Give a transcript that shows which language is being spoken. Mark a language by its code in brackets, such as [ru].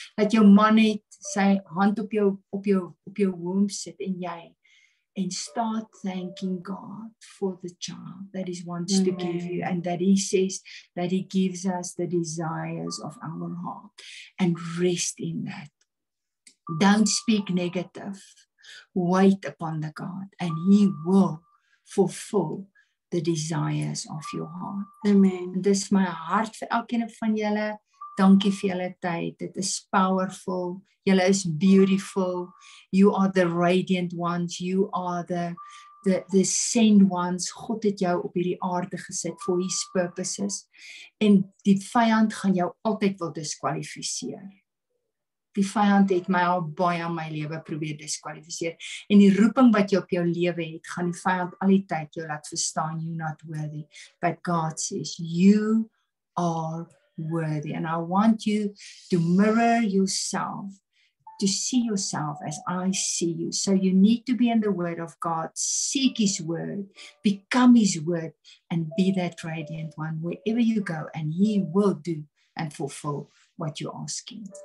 [en] Let your man [af] het sy hand op jou womb sit en jy. [en] And start thanking God for the child that he wants to give you and that he says that he gives us the desires of our heart and rest in that. Don't speak negative. Wait upon the God and he will fulfill the desires of your heart. Amen. This is my heart for [af] elkeen van julle. [en] Thank you for your time. It is powerful. You are beautiful. You are the radiant ones. You are the sent ones. [af] God het jou op hierdie aarde gesit [en] for his purposes. [af] En die vyand gaan jou altyd wil diskwalifiseer. Die vyand het my al baie in my lewe probeer diskwalifiseer. En die roeping wat jy op jou lewe het, gaan die vyand al die tyd jou laat verstaan [en] you're not worthy. But God says you are worthy, and I want you to mirror yourself, to see yourself as I see you. So you need to be in the Word of God, seek His Word, become His Word, and be that radiant one wherever you go, and He will do and fulfill what you're asking.